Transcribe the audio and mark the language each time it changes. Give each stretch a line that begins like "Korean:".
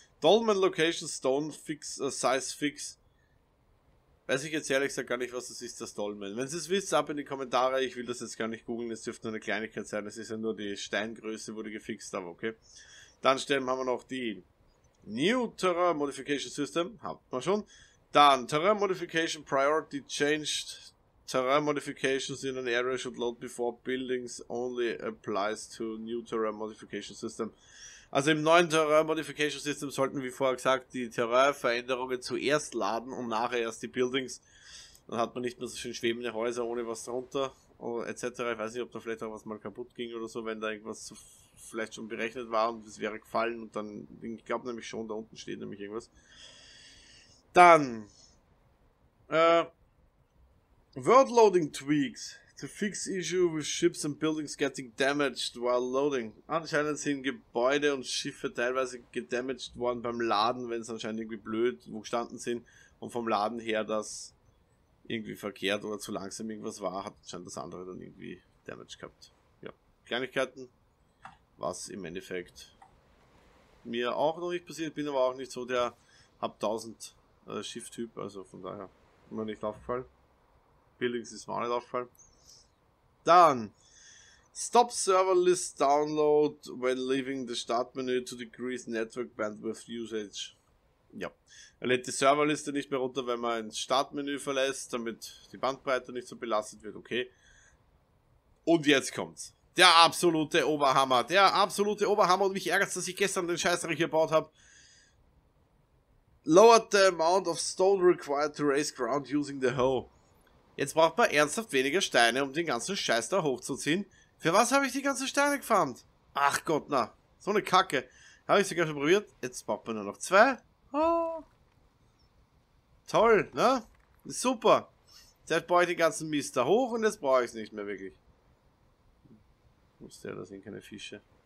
English: Dolmen Location Stone Fix, Size Fix.
German: Weiß ich jetzt ehrlich gesagt gar nicht, was das ist, das Dolmen. Wenn ihr es wisst, ab in die Kommentare. Ich will das jetzt gar nicht googeln, es dürfte nur eine Kleinigkeit sein. Es ist ja nur die Steingröße, wurde gefixt, aber okay. Dann stellen wir noch die New Terrain Modification System. Haben wir schon. Dann Terrain Modification Priority Changed.
English: Terrain Modifications in an area should load before buildings only applies to New Terrain Modification System.
German: Also im neuen Terrain Modification System sollten, wie vorher gesagt, die Terrain-Veränderungen zuerst laden und nachher erst die Buildings. Dann hat man nicht mehr so schön schwebende Häuser ohne was drunter oder etc. Ich weiß nicht, ob da vielleicht auch was mal kaputt ging oder so, wenn da irgendwas vielleicht schon berechnet war und es wäre gefallen und dann, ich glaube nämlich schon, da unten steht nämlich irgendwas. Dann, World Loading Tweaks.
English: To fix issue with ships and buildings getting damaged while loading.
German: Anscheinend sind Gebäude und Schiffe teilweise gedamaged worden beim Laden, wenn es anscheinend irgendwie blöd wo gestanden sind und vom Laden her das irgendwie verkehrt oder zu langsam irgendwas war, hat anscheinend das andere dann irgendwie Damage gehabt. Ja, Kleinigkeiten, was im Endeffekt mir auch noch nicht passiert, bin aber auch nicht so der hab 1000 Schiff-Typ, also von daher immer nicht aufgefallen. Buildings ist mir auch nicht aufgefallen. Dann,
English: stop server list download when leaving the start menu to decrease network bandwidth usage.
German: Ja, er lädt die Serverliste nicht mehr runter, wenn man ins Startmenü verlässt, damit die Bandbreite nicht so belastet wird, okay. Und jetzt kommt's. Der absolute Oberhammer, der absolute Oberhammer und mich ärgert's, dass ich gestern den Scheißerich gebaut habe.
English: Lowered the amount of stone required to raise ground using the hoe.
German: Jetzt braucht man ernsthaft weniger Steine, um den ganzen Scheiß da hochzuziehen. Für was habe ich die ganzen Steine gefarmt? Ach Gott, na. So eine Kacke. Habe ich sogar schon probiert. Jetzt braucht man nur noch zwei. Oh. Toll, ne? Super. Jetzt brauche ich den ganzen Mist da hoch und jetzt brauche ich es nicht mehr wirklich. Muss der, da sind keine Fische.